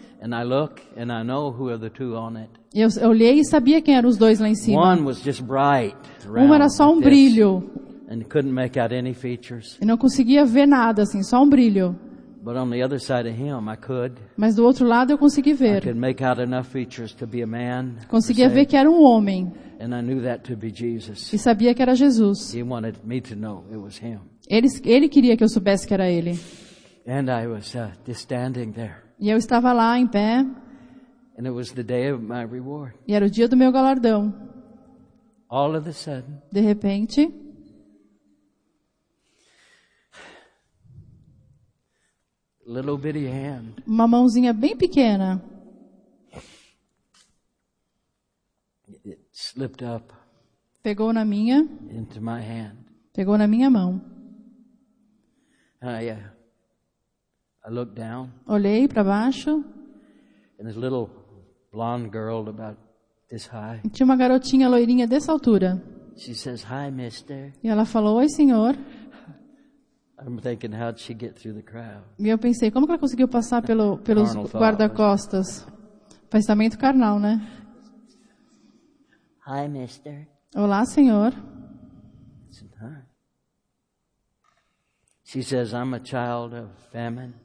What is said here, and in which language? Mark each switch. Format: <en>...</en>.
<en>And I look and I know who are the two on it.</en> <pt>Eu olhei e sabia quem eram os dois lá em cima.</pt> <en>One was just bright.</en> <pt>Um era só um brilho.</pt> <en>And couldn't make out any features.</en> <pt>E não conseguia ver nada assim, só um brilho.</pt> <en>But on the other side of him, I could.</en> <pt>Mas do outro lado eu consegui ver.</pt> <en>I could make out enough features to be a man.</en> <pt>Conseguia ver que era um homem.</pt> <en>And I knew that to be Jesus.</en> <pt>E sabia que era Jesus.</pt> <en>He wanted me to know it was him.</en> <pt>Ele queria que eu soubesse que era ele.</pt> <en>And I was just standing there.</en> <pt>E eu estava lá em pé.</pt> <en>And it was the day of my reward.</en> <pt>E era o dia do meu galardão.</pt> <en>All of a sudden,</en> <pt>de repente,</pt> <en>little bitty hand.</en> <pt>Uma mãozinha bem pequena.</pt> <en>Slipped up.</en> <pt>Pegou na minha.</pt> <en>Into my hand.</en> <pt>Pegou na minha mão.</pt> <en>I looked down.</en> <pt>Olhei para baixo.</pt> <en>And this little blonde girl about this high.</en> <pt>Tinha uma garotinha loirinha dessa altura.</pt> <en>She says, "Hi, mister."</en> <pt>E ela falou, "Oi, senhor."</pt> <en>I'm thinking, how'd she get through the crowd?</en> <pt>E eu pensei, como que ela conseguiu passar pelos guarda-costas? Pensamento carnal, né?</pt> <en>Hi, mister.</en> <pt>Olá, senhor.</pt> <en>She says, I'm a child of famine.</en>